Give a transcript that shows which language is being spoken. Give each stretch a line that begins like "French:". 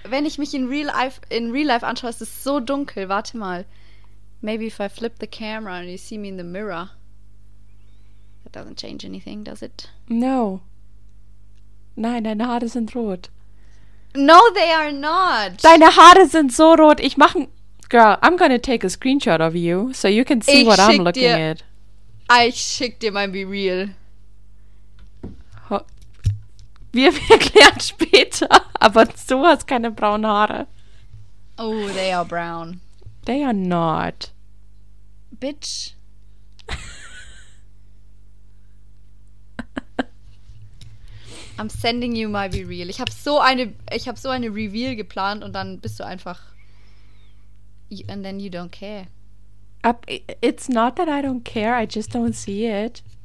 German: Wenn ich mich
English: in real life
German: anschaue, ist es so dunkel. Warte mal.
English: Maybe if I flip the camera and you see me in the mirror. That doesn't change anything, does it? No.
German: Nein, deine Haare sind rot.
English: No, they are not.
German: Deine Haare sind so rot. Ich mache...
English: Girl, I'm gonna take a screenshot of you, so you can see what I'm looking at.
German: Ich schick dir mein BeReal. Wir erklären später, aber du hast keine braunen Haare.
English: Oh, they are brown. They are not. Bitch. I'm sending you my BeReal.
German: Ich hab so eine Reveal geplant und dann bist du einfach...
English: And then you don't care. It's not that I don't care, I just don't see it.